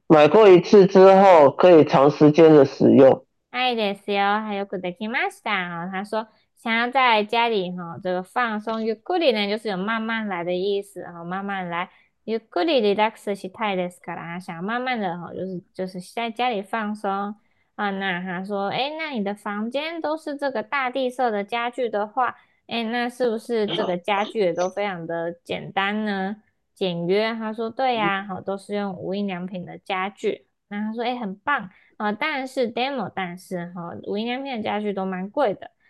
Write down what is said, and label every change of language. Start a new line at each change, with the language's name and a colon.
Chinese: 买过一次之后可以长时间的使用。
Japanese: はいですよ。はい、よくできました。
Chinese: 他说想要在家里哈，这个放松，ゆっくり呢，就是有慢慢来的意思哈，慢慢来。
Japanese: ゆっくりリラックスしたいですから、
Chinese: 想慢慢的哈，就是在家里放松啊。那他说，哎，那你的房间都是这个大地色的家具的话，哎，那是不是这个家具也都非常的简单呢？简约，他说对呀，好，都是用无印良品的家具。那他说，哎，很棒啊，但是 demo，但是哈，无印良品的家具都蛮贵的。